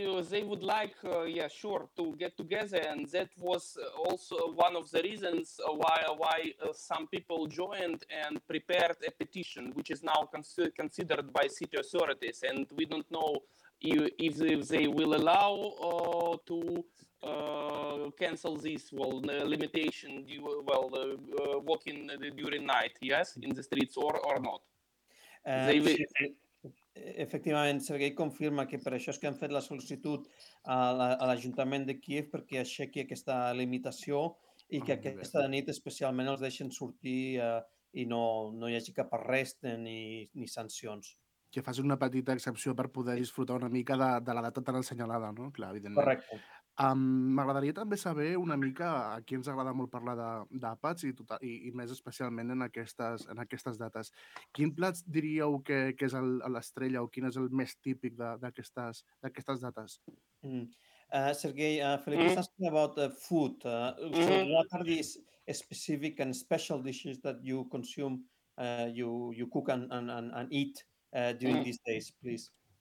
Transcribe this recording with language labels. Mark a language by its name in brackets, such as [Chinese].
[English] They would like, to get together, and that was also one of the reasons why some people joined and prepared a petition, which is now considered by city authorities, and we don't know if they will allow to cancel this limitation, walking during night, yes, in the streets or not. They will... [Catalan] Efectivament, Sergei confirma que per això és que han fet la sol·licitud a l'Ajuntament de Kiev perquè aixequi aquesta limitació i que aquesta nit especialment els deixen sortir i no hi hagi cap arrest ni sancions. Que facin una petita excepció per poder disfrutar una mica de la data tan assenyalada, no? Clar, evidentment. Correcte. M'agradaria també saber una mica a qui ens agrada molt parlar d'àpats i més especialment en aquestes dates. Quin plat diríeu que és l'estrella o quin és el més típic d'aquestes dates? [English] Sergei, Felipe, [Catalan] estàs [English] talking about food. What are these specific and special dishes that you consume, you cook and eat during these days, please?